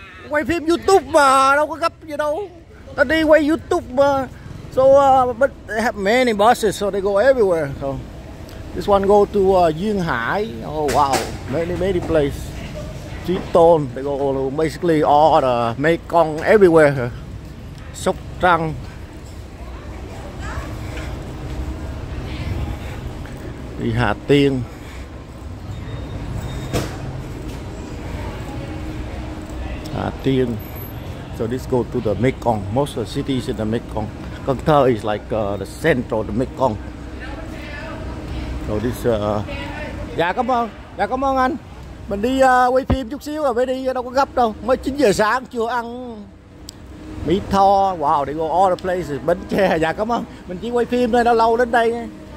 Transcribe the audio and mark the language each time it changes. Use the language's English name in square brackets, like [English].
[Vietnamese] Quay phim YouTube mà, đâu có gấp gì đâu. Tao đi quay YouTube mà. [English] So but they have many buses, so they go everywhere. So this one go to Duyên Hải. Oh wow, many places. Chi Tôn, they go basically all the Mekong everywhere. Sóc Trăng. [Vietnamese] Đi Hà Tiên. [English] Hà Tiên. So this go to the Mekong, most of the cities in the Mekong. Cần Thơ is like the center of the Mekong. So this [Vietnamese] Dạ cảm ơn anh. Mình đi quay phim chút xíu rồi mới đi, đâu có gấp đâu. Mới 9 giờ sáng chưa ăn mì tho. [English] Wow, they go all the places. [Vietnamese] Bến Tre. Dạ cảm ơn. Mình chỉ quay phim thôi, nó lâu đến đây.